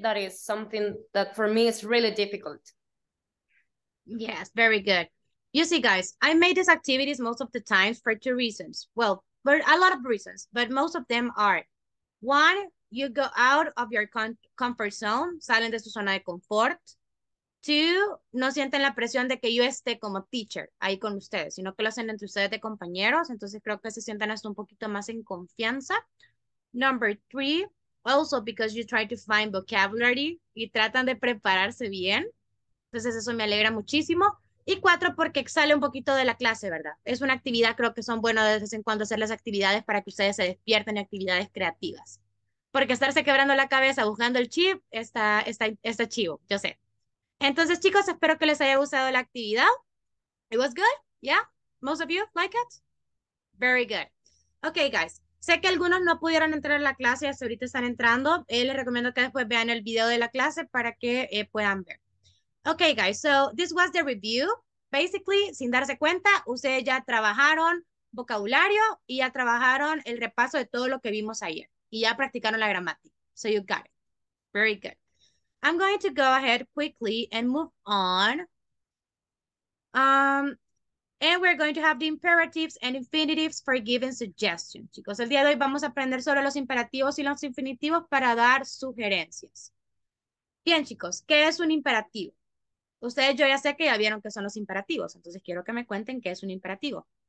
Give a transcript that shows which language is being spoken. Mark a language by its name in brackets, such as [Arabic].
[English] That is something that for me is really difficult. Yes, very good. You see, guys, I made these activities most of the times for two reasons. Well, for a lot of reasons, but most of them are: one, you go out of your comfort zone, [Spanish] salen de su zona de confort. [English] Two, [Spanish] no sienten la presión de que yo esté como teacher ahí con ustedes, sino que lo hacen entre ustedes de compañeros, entonces creo que se sientan hasta un poquito más en confianza. [English] Number three, also because you try to find vocabulary [Spanish] y tratan de prepararse bien. Entonces eso me alegra muchísimo. Y cuatro, porque sale un poquito de la clase, ¿verdad? Es una actividad, creo que son buenas de vez en cuando hacer las actividades para que ustedes se despierten en actividades creativas. porque estarse quebrando la cabeza buscando el chip está chivo, yo sé. Entonces, chicos, espero que les haya gustado la actividad. [English] It was good, yeah? Most of you like it? Very good. Okay, guys. [Spanish] Sé que algunos no pudieron entrar a la clase y hasta ahorita están entrando. Les recomiendo que después vean el video de la clase para que puedan ver. [English] Okay, guys, so this was the review. Basically, [Spanish] sin darse cuenta, ustedes ya trabajaron vocabulario y ya trabajaron el repaso de todo lo que vimos ayer. Y ya practicaron la gramática. [English] So you got it. Very good. I'm going to go ahead quickly and move on. And we're going to have the imperatives and infinitives for giving suggestions. [Spanish] Chicos, el día de hoy vamos a aprender sobre los imperativos y los infinitivos para dar sugerencias. Bien, chicos, ¿qué es un imperativo? Ustedes, yo ya sé que ya vieron qué son los imperativos, entonces quiero que me cuenten qué es un imperativo.